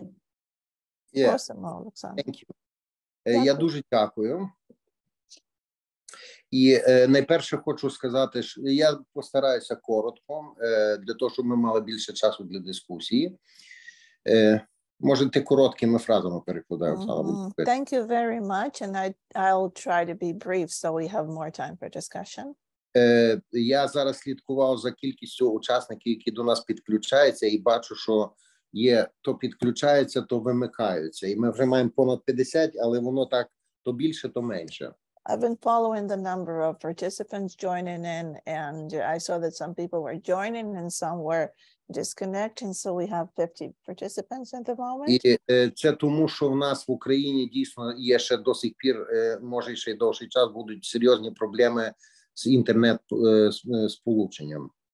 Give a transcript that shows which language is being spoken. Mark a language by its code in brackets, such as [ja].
[en] Yeah. [uk] Просимо, Олександр. [en] Thank you. [uk] Я дуже дякую. І найперше хочу сказати, що я постараюся коротко, для того, щоб ми мали більше часу для дискусії. Може, ти короткими фразами перекладаю? Mm-hmm. [en] Thank you very much, and I'll try to be brief, so we have more time for discussion. [uk] Я зараз слідкував за кількістю учасників, які до нас підключаються, і бачу, що є то підключається, то вимикаються. І ми вже маємо понад 50, але воно так, то більше, то менше. [en] I've been following the number of participants joining in, and I saw that some people were joining and some were disconnecting, so we have 50 participants at the moment. [uk] І це тому, що в нас в Україні дійсно є ще до сих пір, може, ще й довший час будуть серйозні проблеми з інтернет сполученням.